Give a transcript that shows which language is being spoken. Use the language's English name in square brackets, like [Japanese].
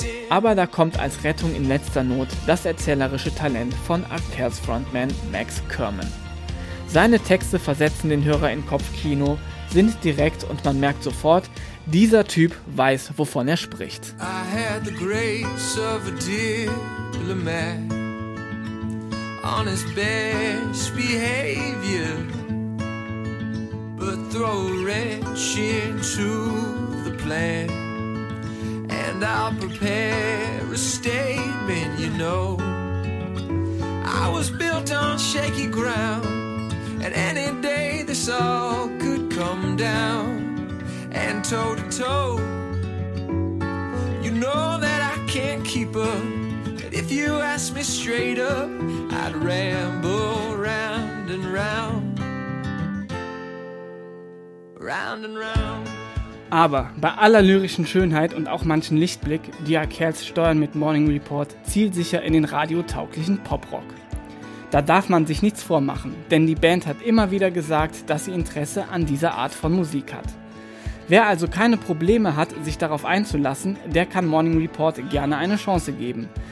[German] Aber da kommt als Rettung in letzter Not das erzählerische Talent von R. Kells Frontman Max Kerman. Seine Texte versetzen den Hörer in Kopfkino, sind direkt und man merkt sofort, dieser Typ weiß, wovon er spricht. [English] I had the grace of a diplomat on his best behavior, but throw a wrench into the plan and I'll prepare a statement, you know. I was built on shaky ground and any day this all could come down and toe to toe. You know that I can't keep up, and if you ask me straight up, I'd ramble round and round, round and round. [German] Aber bei aller lyrischen Schönheit und auch manchen Lichtblick, die R. Kells steuern mit Morning Report, zielsicher in den radiotauglichen Poprock. Da darf man sich nichts vormachen, denn die Band hat immer wieder gesagt, dass sie Interesse an dieser Art von Musik hat. Wer also keine Probleme hat, sich darauf einzulassen, der kann Morning Report gerne eine Chance geben.